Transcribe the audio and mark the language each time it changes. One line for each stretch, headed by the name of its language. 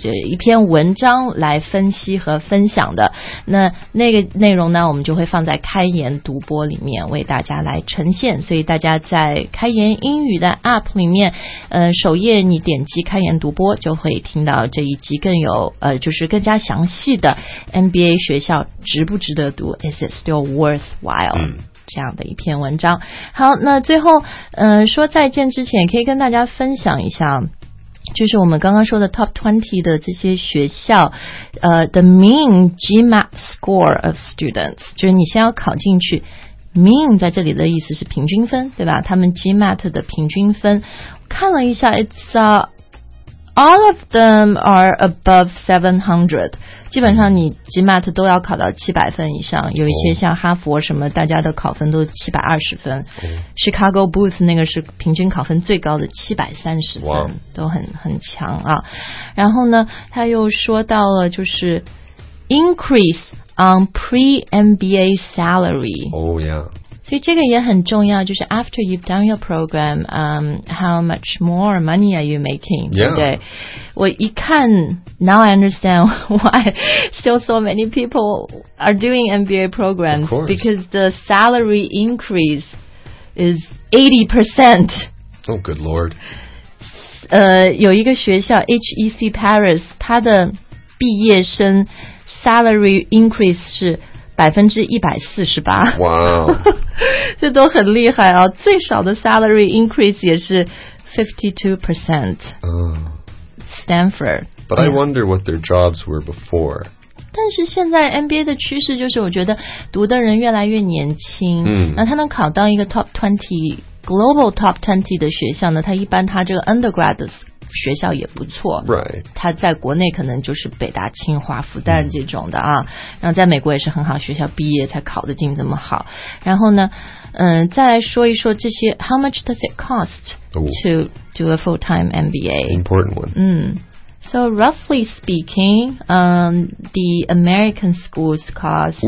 Chinese: 一篇文章来分析和分享的那个内容呢我们就会放在开言读播里面为大家来呈现所以大家在开言英语的 app 里面首页你点击开言读播就会听到这一集更有就是更加详细的 MBA 学校值不值得读
English: is it still worthwhile、
Chinese: 这样的一篇文章好那最后说再见之前可以跟大家分享一下就是我们刚刚说的 top 20的这些学校，
English: the mean GMAT score of students，
Chinese: 就是你先要考进去。 mean 在这里的意思是平均分，对吧？他们 GMAT 的平均分，看了一下 ，
English: it's all of them are above 700。
Chinese: 基本上你 GMAT 都要考到700分以上，有一些像哈佛什么，大家的考分都720分。 Chicago Booth 那个是平均考分最高的730分，都很强啊。然后呢，他又说到了就是
English: increase on pre-MBA salary。
Chinese: 所以这个也很重要，就是
English: after you've done your program, how much more money are you making? Yeah.
Chinese: 对不对？我一看
English: now I understand why still so many people are doing MBA programs. Of course. Because the salary increase is 80%. Oh, good lord.
Chinese: 有一个学校 HEC Paris, 它的毕业生 salary increase 是148%。哇、wow. 这都很厉害啊，最少的 salary increase 也是 52%、Stanford.
English: But、yeah. I wonder what their jobs were before.
Chinese: 但是现在 MBA 的趋势就是我觉得读的人越来越年轻、 mm. 那他能考到一个 top 20
English: global top 20
Chinese: 的学校呢，他一般他这个 undergrad 的学校也不错、
English: right.
Chinese: 他在国内可能就是北大清华复旦这种的啊、嗯、然后在美国也是很好学校毕业才考得进这么好然后呢再来说一说这些
English: How much does it cost、 oh. to do a full-time MBA? Important one、 So roughly speaking、the American schools cost